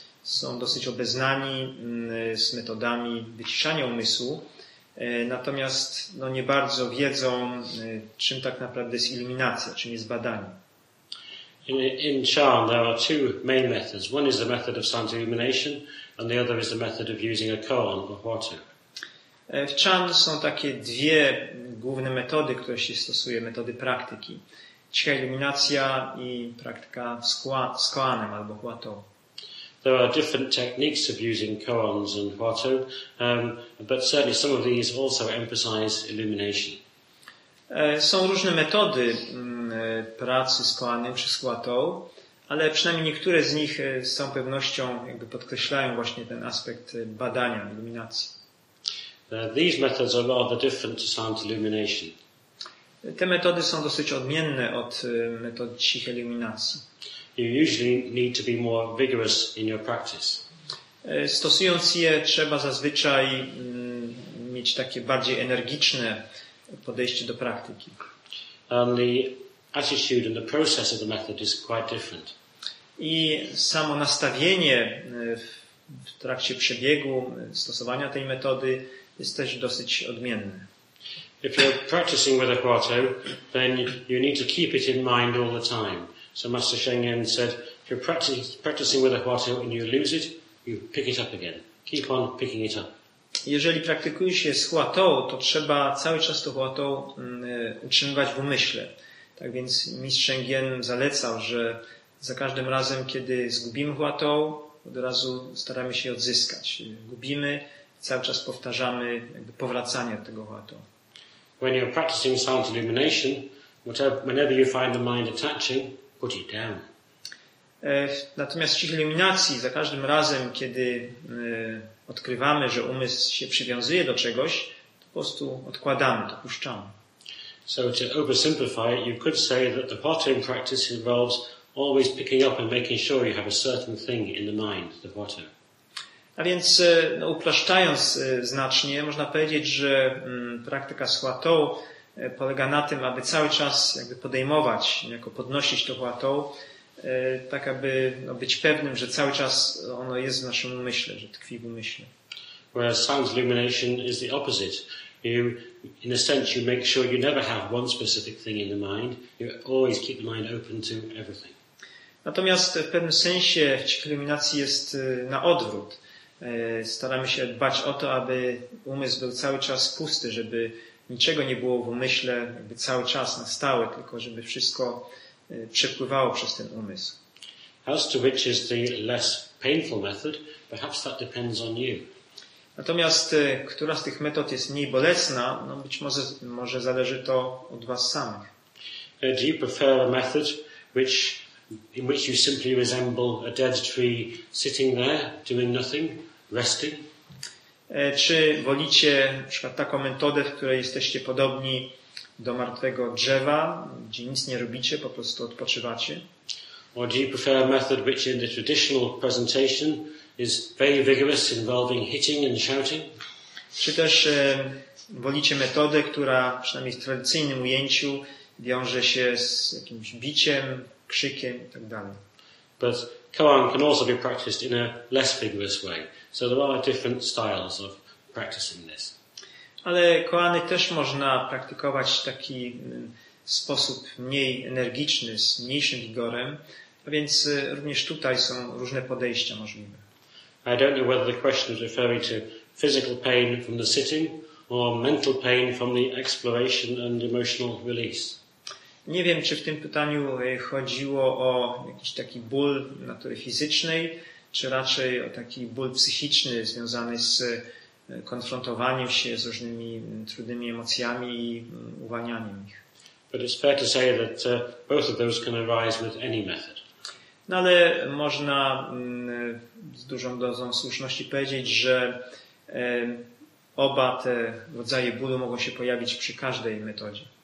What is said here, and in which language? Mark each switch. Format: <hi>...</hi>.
<pl>Są dosyć obeznani z metodami wyciszania umysłu, natomiast no, nie bardzo wiedzą, czym tak naprawdę jest iluminacja, czym jest badanie.</pl> <en>In Chan there are two main methods. One is the method of sound illumination and the other is the method of using a koan or water.</en> <pl>W Chan są takie dwie główne metody, które się stosuje, metody praktyki. Cicha iluminacja i praktyka z koanem albo huato.</pl> <en>There are different techniques of using koans and huato, but certainly some of these also emphasize illumination.</en> <pl>Są różne metody pracy z koanem czy z huato, ale przynajmniej niektóre z nich z całą pewnością jakby podkreślają właśnie ten aspekt badania, iluminacji.</pl> <en>These methods are rather different to sound illumination.</en> <pl>Te metody są dosyć odmienne od metod cichej iluminacji.</pl> <en>You usually need to be more vigorous in your practice.</en> <pl>Stosując je, trzeba zazwyczaj mieć takie bardziej energiczne podejście do praktyki.</pl> <en>And the attitude and the process of the method is quite different.</en> <pl>I samo nastawienie w trakcie przebiegu stosowania tej metody jest też dosyć odmienne.</pl> <en>If you're practicing with a huato, then you need to keep it in mind all the time. So Master Sheng Yen said, if you're practicing with a huato and you lose it, you pick it up again. Keep on picking it up.</en> <pl>Jeżeli praktykujesz się z huato, to trzeba cały czas to huato utrzymywać w umyśle. Tak więc Mistrz Sheng Yen zalecał, że za każdym razem, kiedy zgubimy huato, od razu staramy się je odzyskać. Gubimy, cały czas powtarzamy jakby powracanie tego huato.</pl> <en>When you're practicing sound illumination, whenever you find the mind attaching, put it down.</en> <pl>Natomiast w cichej iluminacji, za każdym razem, kiedy odkrywamy, że umysł się przywiązuje do czegoś, to po prostu odkładamy, to puszczamy.</pl> <en>So to oversimplify it, you could say that the huato practice involves always picking up and making sure you have a certain thing in the mind, the huato.</en> <pl>A więc no, upraszczając znacznie, można powiedzieć, że praktyka z huato polega na tym, aby cały czas jakby podejmować, jako podnosić to huato, tak aby no, być pewnym, że cały czas ono jest w naszym umyśle, że tkwi w umyśle.</pl> <en>Whereas sound illumination is the opposite. You, in a sense, you make sure you never have one specific thing in the mind. You always keep the mind open to everything.</en> <pl>Natomiast w pewnym sensie w cichej iluminacji jest na odwrót. Staramy się dbać o to, aby umysł był cały czas pusty, żeby niczego nie było w umyśle jakby cały czas na stałe, tylko żeby wszystko przepływało przez ten umysł.</pl> <en>As to which is the less painful method, perhaps that depends on you.</en> <pl>Natomiast która z tych metod jest mniej bolesna, no być może zależy to od was samych.</pl> <en>Do you prefer a method which in which you simply resemble a dead tree sitting there, doing nothing, resting?</en> <pl>Czy wolicie na przykład taką metodę, w której jesteście podobni do martwego drzewa, gdzie nic nie robicie, po prostu odpoczywacie?</pl> <en>Or do you prefer a method which in the traditional presentation is very vigorous, involving hitting and shouting?</en> <pl>Czy też wolicie metodę, która przynajmniej w tradycyjnym ujęciu wiąże się z jakimś biciem, krzykiem i tak dalej?</pl> <en>But koan can also be practiced in a less vigorous way. So there are different styles of practicing this.</en> <pl>Ale koany też można praktykować w taki sposób mniej energiczny, z mniejszym wigorem, a więc również tutaj są różne podejścia możliwe.</pl> <en>I don't know whether the question is referring to physical pain from the sitting or mental pain from the exploration and emotional release.</en> <pl>Nie wiem, czy w tym pytaniu chodziło o jakiś taki ból natury fizycznej, czy raczej o taki ból psychiczny związany z konfrontowaniem się z różnymi trudnymi emocjami i uwalnianiem ich.</pl> <en>But it's fair to say that both of those can arise with any method.</en> <pl>No ale można z dużą dozą słuszności powiedzieć, że oba te rodzaje bólu mogą się pojawić przy każdej metodzie.</pl>